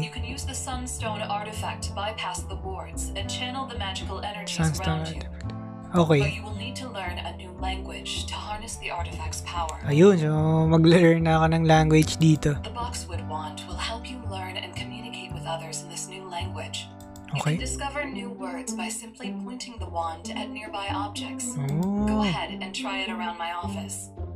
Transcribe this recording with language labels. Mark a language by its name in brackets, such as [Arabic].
[English] You can use the sunstone artifact to bypass the wards and channel the magical energies sunstone around artifact. You. Okay. But you will need to learn a new language to harness the artifact's power. [Filipino] Ayun, so mag-learn na ako ng language dito. [English] The boxwood wand will help you learn and communicate with others in this new language. Okay. You can discover new words by simply pointing the wand at nearby objects. Oh. Go ahead and try it around my office.